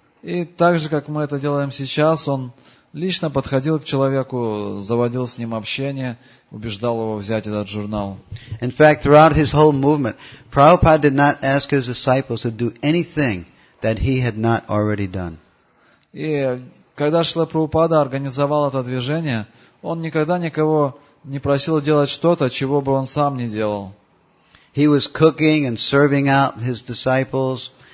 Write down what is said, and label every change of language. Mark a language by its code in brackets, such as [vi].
[ru] И так же, как мы это делаем сейчас, он лично подходил к человеку, заводил с ним общение, убеждал его взять этот журнал. [en] In fact, throughout his whole movement, Prabhupada did not ask his disciples to do anything that he had not already done. [ru] И когда Шрила Прабхупада организовал это движение, он никогда никого не просил делать что-то, чего бы он сам не делал. [en] He was cooking and serving out his disciples.